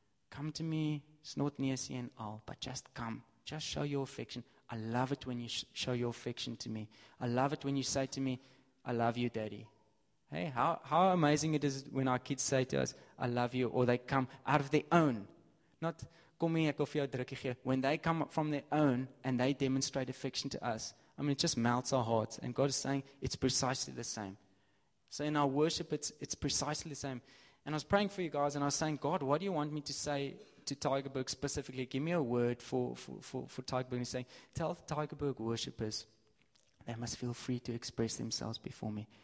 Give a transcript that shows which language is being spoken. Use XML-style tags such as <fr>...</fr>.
<en>Come to me, snort near, see, and I'll, but just come. Just show your affection. I love it when you show your affection to me. I love it when you say to me, I love you, Daddy. Hey, how amazing it is when our kids say to us, I love you, or they come out of their own.</en> <af>Not, kom hier, ek wil vir jou drukkie gee.</af> <en>When they come from their own and they demonstrate affection to us, I mean, it just melts our hearts. And God is saying, it's precisely the same. So in our worship, it's precisely the same. And I was praying for you guys, and I was saying, God, what do you want me to say to Tigerberg specifically? Give me a word for Tigerberg. And he's saying, tell the Tigerberg worshippers, they must feel free to express themselves before me.</en>